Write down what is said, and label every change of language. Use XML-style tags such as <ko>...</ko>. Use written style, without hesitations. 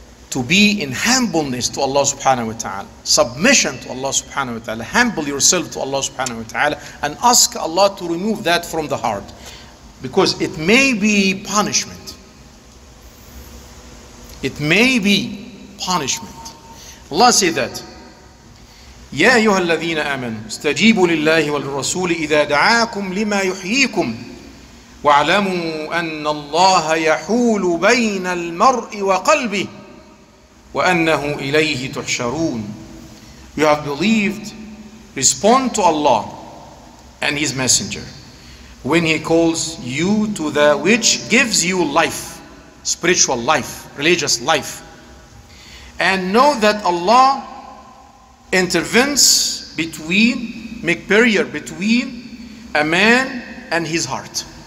<en>To be in humbleness to Allah subhanahu wa ta'ala. Submission to Allah subhanahu wa ta'ala. Humble yourself to Allah subhanahu wa ta'ala. And ask Allah to remove that from the heart. Because it may be punishment. It may be punishment.</en> <ar>Allah said that, يَا أَيُّهَا الَّذِينَ آمَنُوا اسْتَجِيبُوا لِلَّهِ وَلِلرَّسُولِ إِذَا دَعَاكُمْ لِمَا يُحْيِيكُمْ وَاعْلَمُوا أَنَّ اللَّهَ يَحُولُ بَيْنَ الْمَرْءِ وَقَلْبِهِ وَأَنَّهُ إِلَيْهِ تُحْشَرُونَ.</ar> <en>You have believed, respond to Allah and His Messenger when He calls you to that which gives you life, spiritual life, religious life. And know that Allah intervenes between, make barrier between a man and his heart.</en>